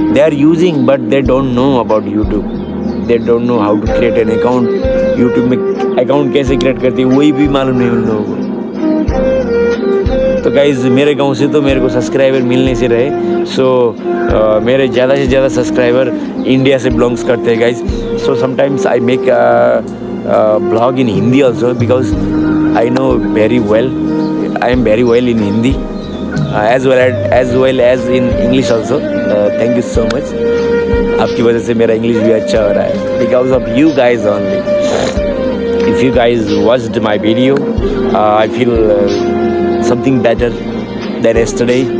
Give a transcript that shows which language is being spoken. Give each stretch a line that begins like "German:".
English: They are using, but they don't know about YouTube. They don't know how to create an account.
Hindi: YouTube में account कैसे create करते हैं, वही भी मालूम नहीं उन लोगों को. तो guys, मेरे गांव से तो मेरे को subscriber मिलने से रहे. So मेरे ज़्यादा से ज़्यादा subscriber India से belongs करते हैं, guys.
English: So sometimes I make a blog in Hindi also because I know very well. I am very well in Hindi. As well as in English also. Thank you so much.
Hindi: आपकी वजह से मेरा English भी अच्छा हो रहा है
English: Because of you guys only. If you guys watched my video, I feel something better than yesterday.